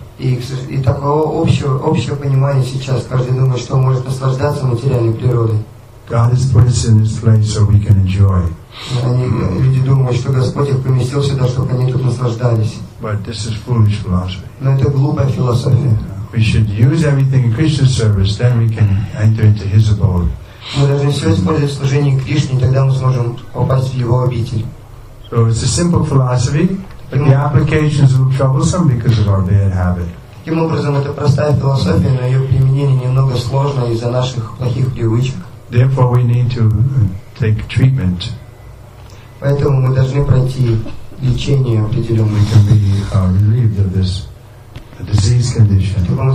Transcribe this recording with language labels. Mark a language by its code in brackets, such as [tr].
[ru] И такого общего понимания сейчас, каждый думает, что может наслаждаться материальной природой. [en] God has put us in this place so we can enjoy. [ru] Люди думают, что Господь их поместил сюда, чтобы они тут наслаждались. [en] But this is foolish philosophy. [ru] Но это глупая философия. [en] We should use everything in Krishna's service, then we can enter into His abode. [ru] Мы должны все использовать в служении Кришне, тогда мы сможем попасть в Его обитель. [en] So it's a simple philosophy, but the application is a little troublesome because of our bad habit. [ru] Таким образом, это простая философия, но ее применение немного сложно из-за наших плохих привычек. [en] Therefore, we need to take treatment. [ru] Поэтому мы должны пройти лечение определенное. [en] We can be relieved of this disease condition.